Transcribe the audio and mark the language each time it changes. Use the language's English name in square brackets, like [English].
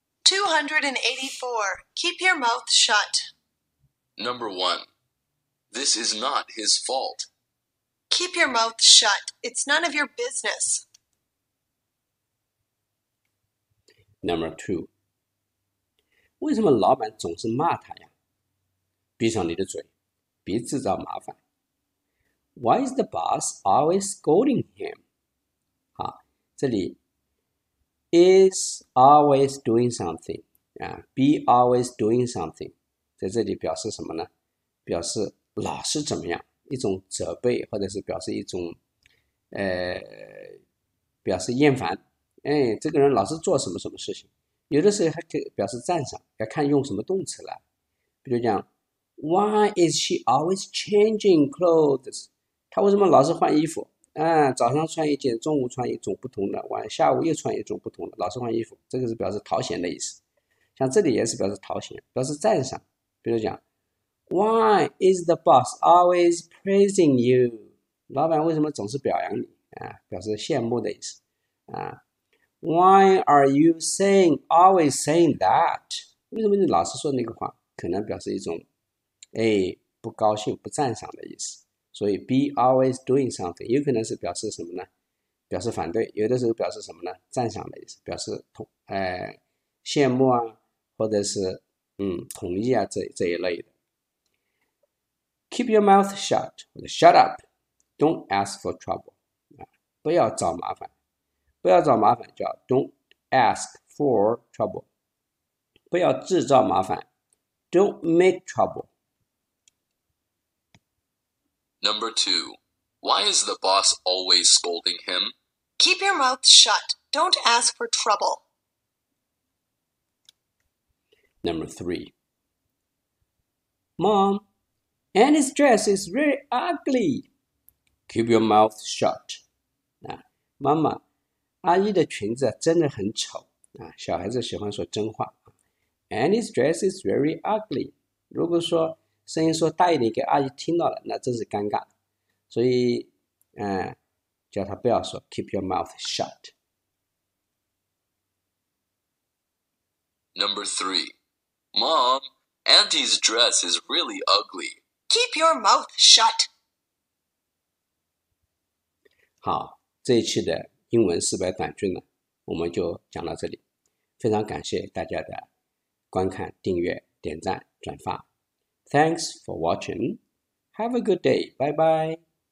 [English] 284. Keep your mouth shut. Number 1. This is not his fault. Keep your mouth shut. It's none of your business. Number 2. [Chinese] 为什么老板总是骂他呀？闭上你的嘴，别制造麻烦。 [English] Why is the boss always scolding him? [Chinese] 这里 [English] is always doing something, be always doing something, [Chinese] 在这里表示什么呢？表示老是怎么样，一种责备，或者是表示一种表示厌烦，这个人老是做什么什么事情，有的时候还可以表示赞赏，要看用什么动词了。比如讲 [English] Why is she always changing clothes? [Chinese] 她为什么老是换衣服？早上穿一件，中午穿一种不同的，晚下午又穿一种不同的，老是换衣服，这个是表示讨嫌的意思。像这里也是表示讨嫌，表示赞赏。比如讲 [English] Why is the boss always praising you? [Chinese] 老板为什么总是表扬你表示羡慕的意思 [English] Why are you saying always saying that? [Chinese] 为什么你老是说那个话？可能表示一种不高兴，不赞赏的意思。所以 [English] be always doing something [Chinese] 有可能是表示什么呢？表示反对，有的时候表示什么呢？赞赏的意思，表示羡慕啊，或者是同意啊，这一类的。 [English] Keep your mouth shut, shut up, don't ask for trouble, [Chinese] 不要找麻烦，不要找麻烦叫 [English] don't ask for trouble, [Chinese] 不要制造麻烦 [English] don't make trouble。 Number 2. Why is the boss always scolding him? Keep your mouth shut. Don't ask for trouble. Number 3. Mom, Annie's dress is really ugly. Keep your mouth shut. [Chinese] 妈妈，阿姨的裙子真的很丑。小孩子喜欢说真话。 [English] Annie's dress is very ugly. [Chinese] 如果说声音说大一点给阿姨听到了，那真是尴尬。所以叫他不要说 [English] keep your mouth shut。 Number 3. Mom, Auntie's dress is really ugly. Keep your mouth shut. [Chinese] 好，这一期的英文四百短句呢，我们就讲到这里。非常感谢大家的观看、订阅、点赞、转发。 [English] Thanks for watching. Have a good day. Bye bye.